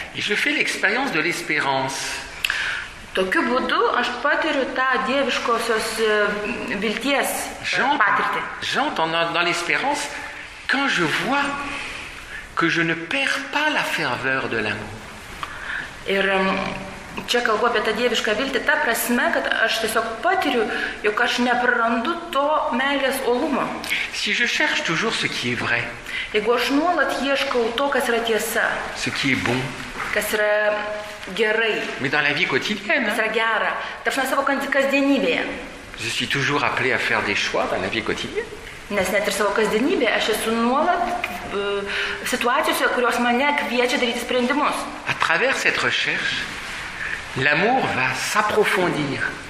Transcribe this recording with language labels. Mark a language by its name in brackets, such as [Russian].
[French] Et je fais l'expérience de l'espérance. [Lithuanian] Tokiu būdu aš patiriu tą dieviškosios vilties patirtį. [French] J'entends dans l'espérance quand je vois que je ne perds pas la ferveur de l'amour. [Lithuanian] Ir čia kalbu apie tą dievišką viltį, ta prasme, kad aš tiesiog patiriu, jog aš neprarandu to meilės olumo. [French] Si je cherche toujours ce qui est vrai. [Lithuanian] Jeigu aš nuolat ieškau to, kas yra tiesa. [French] Ce qui est bon. [Lithuanian] Kas yra gerai. [French] Mais dans la vie quotidienne. [Lithuanian] Kas yra gera. Tarpsime savo kasdienybėje. [French] Je suis toujours appelé à faire des choix dans la vie quotidienne. [Lithuanian] Nes net ir savo kasdienybėje aš esu nuolat situacijose, kurios mane kviečia daryti sprendimus. [French] À travers cette recherche, l'amour va s'approfondir.